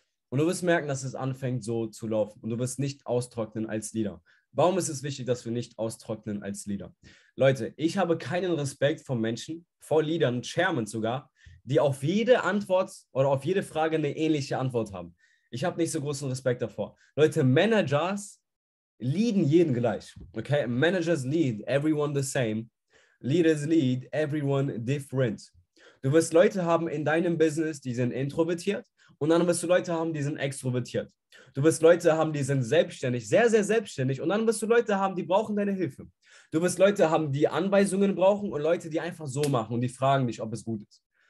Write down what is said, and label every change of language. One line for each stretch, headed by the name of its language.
German: Und du wirst merken, dass es anfängt so zu laufen und du wirst nicht austrocknen als Leader. Warum ist es wichtig, dass wir nicht austrocknen als Leader? Leute, ich habe keinen Respekt vor Menschen, vor Leadern, Chairmen sogar, die auf jede Antwort oder auf jede Frage eine ähnliche Antwort haben. Ich habe nicht so großen Respekt davor. Leute, Managers leaden jeden gleich, okay?
English: Managers lead everyone the same. Leaders lead, everyone different.
German: Du wirst Leute haben in deinem Business, die sind introvertiert und dann wirst du Leute haben, die sind extrovertiert. Du wirst Leute haben, die sind selbstständig, sehr, sehr selbstständig und dann wirst du Leute haben, die brauchen deine Hilfe. Du wirst Leute haben, die Anweisungen brauchen und Leute, die einfach so machen und die fragen dich, ob es gut ist.